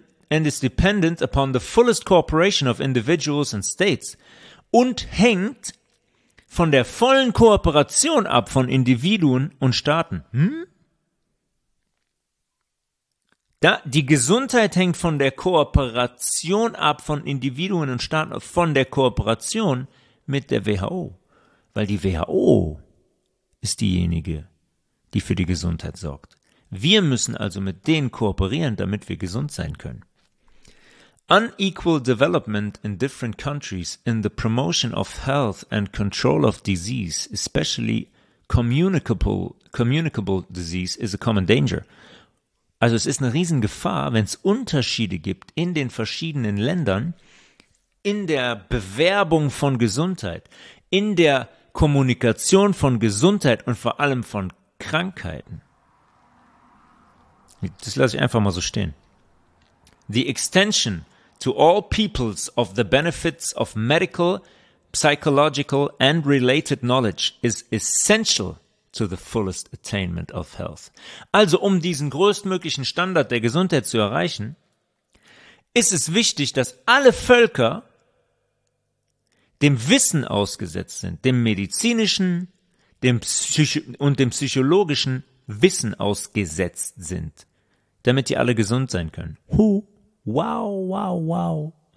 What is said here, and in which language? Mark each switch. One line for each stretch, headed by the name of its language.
English: And is dependent upon the fullest cooperation of individuals and states.
German: Und hängt von der vollen Kooperation ab von Individuen und Staaten. Da, die Gesundheit hängt von der Kooperation ab von Individuen und Staaten, von der Kooperation mit der WHO. Weil die WHO ist diejenige, die für die Gesundheit sorgt. Wir müssen also mit denen kooperieren, damit wir gesund sein können.
English: Unequal development in different countries in the promotion of health and control of disease, especially communicable disease, is a common danger.
German: Also es ist eine Riesengefahr, wenn es Unterschiede gibt in den verschiedenen Ländern, in der Bewerbung von Gesundheit, in der Kommunikation von Gesundheit und vor allem von Krankheiten. Das lasse ich einfach mal so stehen.
English: The extension to all peoples of the benefits of medical, psychological and related knowledge is essential to the fullest attainment of health.
German: Also um diesen größtmöglichen Standard der Gesundheit zu erreichen, ist es wichtig, dass alle Völker dem Wissen ausgesetzt sind, dem medizinischen, dem psychologischen Wissen ausgesetzt sind, damit die alle gesund sein können. Wow.